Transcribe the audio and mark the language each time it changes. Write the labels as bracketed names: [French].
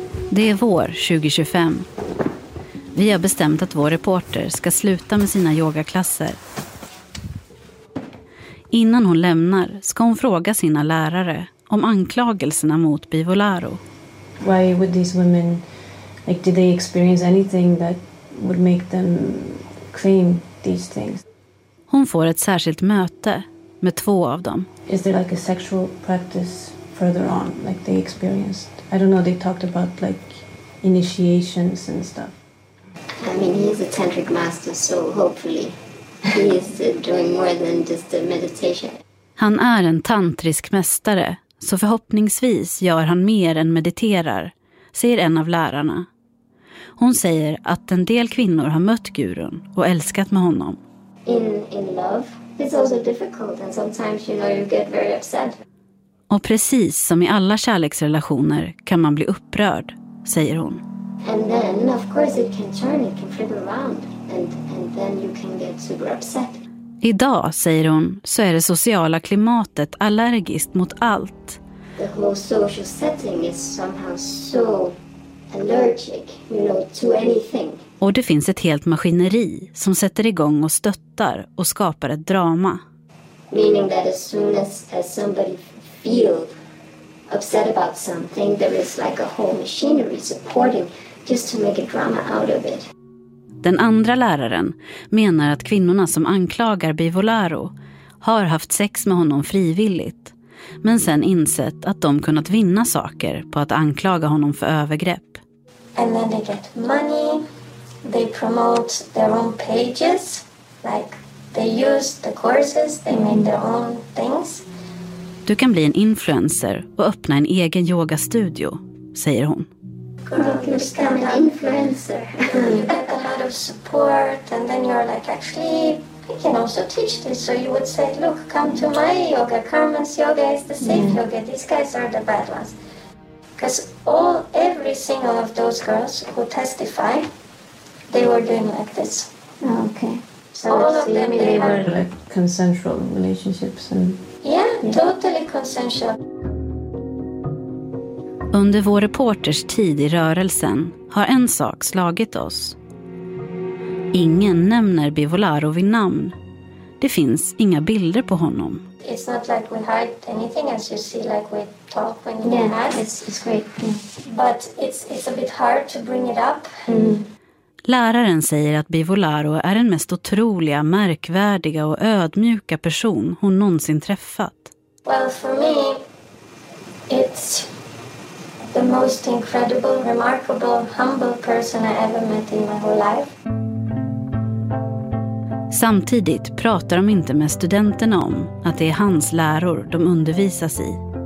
[Swedish] Det är vår 2025. Vi har bestämt att vår reporter ska sluta med sina yogaklasser. Innan hon lämnar ska hon fråga sina lärare om anklagelserna mot Bivolaro. [English] Why would these women, like, did they experience anything that would make them claim these things? [Swedish] Hon får ett särskilt möte med två av dem. [English] Is there like a sexual practice further on, like they experienced? I don't know, they talked about like initiations and stuff. I mean, he's a tantric master, so hopefully he's doing more than just the meditation. [Swedish] Han är en tantrisk mästare, så förhoppningsvis gör han mer än mediterar, säger en av lärarna. Hon säger att en del kvinnor har mött gurun och älskat med honom. [English] In love, it's also difficult, and sometimes, you know, you get very upset. [Swedish] Och precis som i alla kärleksrelationer kan man bli upprörd, säger hon. [English] And then of course it can turn, it can flip around and then you can get super upset. [Swedish] Idag, säger hon, så är det sociala klimatet allergiskt mot allt. [English] The whole social setting is somehow so allergic, you know, to anything. [Swedish] Och det finns ett helt maskineri som sätter igång och stöttar och skapar ett drama. [English] Meaning that as soon as somebody feel upset about something, there is like a whole machinery supporting just to make a drama out of it. [Swedish] Den andra läraren menar att kvinnorna som anklagar Bivolaro har haft sex med honom frivilligt, men sen insett att de kunnat vinna saker på att anklaga honom för övergrepp. [English] And then they get money, they promote their own pages, like they use the courses, they make their own things. [Swedish] Du kan bli en influencer och öppna en egen yogastudio, säger hon. [English] Girl, you're just an influencer. of support, and then you're like, actually, I can also teach this. So you would say, look, come to my yoga. Carmen's yoga is the safe yoga. These guys are the bad ones. Because every single of those girls who testify, they were doing like this. Okay. So all of them, they were like consensual relationships. And yeah, totally consensual. [Swedish] Under vår reporters tid i rörelsen har en sak slagit oss. Ingen nämner Bivolaro vid namn. Det finns inga bilder på honom. [English] It's not like we hide anything, as you see, like we talk when you ask. It's great. But it's a bit hard to bring it up. [Swedish] Läraren säger att Bivolaro är den mest otroliga, märkvärdiga och ödmjuka person hon någonsin träffat. [English] Well, for me, it's the most incredible, remarkable, humble person I ever met in my whole life. [Swedish] Samtidigt pratar de inte med studenterna om att det är hans läror de undervisas i.